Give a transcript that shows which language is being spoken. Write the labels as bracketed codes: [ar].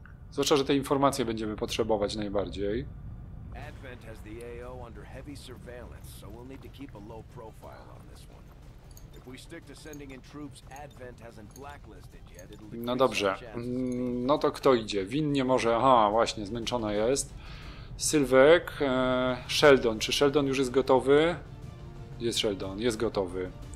[pl] Zwłaszcza, że te informacje będziemy potrzebować najbardziej. [en] Advent has the AO under heavy surveillance, so we'll need to keep a low profile on this one. If we stick to sending in troops, Advent hasn't blacklisted yet. [pl] No dobrze. No to kto idzie? Vin nie może. Aha, właśnie, zmęczona jest. Sylwek, Sheldon. Czy Sheldon już jest gotowy? Jest Sheldon, jest gotowy.